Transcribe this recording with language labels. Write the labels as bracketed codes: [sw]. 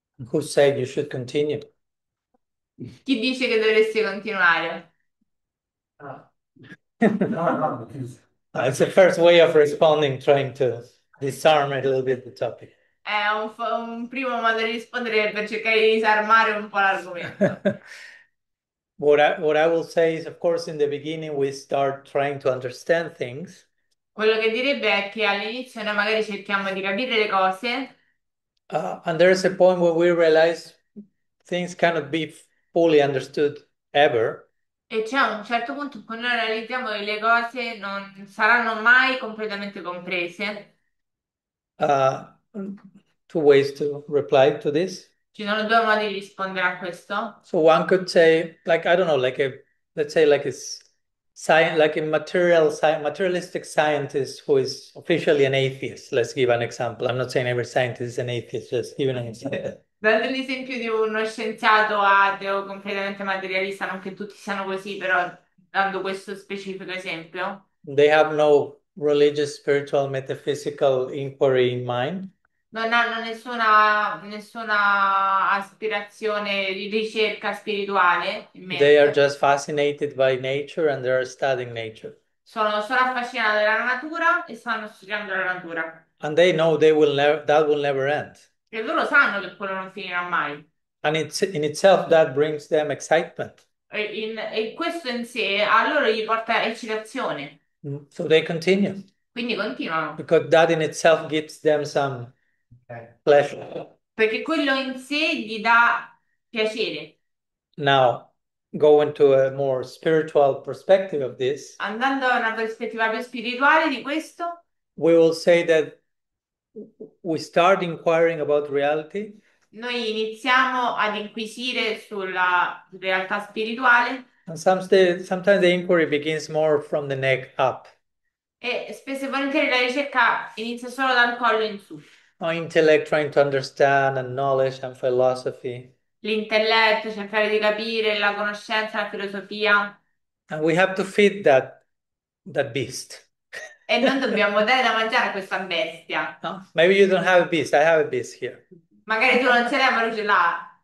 [en] Who said you should continue? [it] Chi dice che dovresti continuare? No, [en] It's the first way of responding, trying to disarm a little bit the topic. [it] È un primo modo di rispondere per cercare di disarmare un po' l'argomento. [en] What I will say is, of course, in the beginning we start trying to understand things. [it] Quello che direbbe è che all'inizio noi magari cerchiamo di capire le cose. [en] And there is a point where we realize things cannot be fully understood ever. [it] E c'è un certo punto in cui noi realizziamo che le cose non saranno mai completamente comprese. [en] Two ways to reply to this. [it] Ci sono due modi di rispondere a questo. [en] So one could say, like, I don't know, let's say, like a science, like a materialistic scientist who is officially an atheist. Let's give an example. I'm not saying every scientist is an atheist, just giving an example. [it] Dando l'esempio di uno scienziato ateo completamente materialista, non che tutti siano così, però dando questo specifico esempio. [en] They have no religious, spiritual, metaphysical inquiry in mind. [it] Non hanno nessuna aspirazione di ricerca spirituale in [en] They are [it] mente. [en] just fascinated by nature and they are studying nature. [it] Sono solo affascinati dalla natura e stanno studiando la natura. E [en] And they know they will never that will never end. [it] loro sanno che quello non finirà mai. [en] And it's in itself that brings them excitement. [it] E questo in sé a loro gli porta eccitazione. [en] So they continue. [it] Quindi continuano. [en] Because that in itself gives them some pleasure. [it] Perché quello in sé gli dà piacere. [en] Now, going to a more spiritual perspective of this, [it] Andando a una prospettiva più spirituale di questo. [en] we will say that we start inquiring about reality. [it] Noi iniziamo ad inquisire sulla realtà spirituale [en] And sometimes the inquiry begins more from the neck up. [it] e spesso e volentieri la ricerca inizia solo dal collo in su. [en] Our intellect trying to understand and knowledge and philosophy. [it] L'intelletto, cercare di capire la conoscenza, la filosofia. [en] And we have to feed that beast. [it] E non dobbiamo dare da mangiare a questa bestia. [en] No? Maybe you don't have a beast. I have a beast here. [it] Magari tu non ce l'hai, ma lui ce l'ha.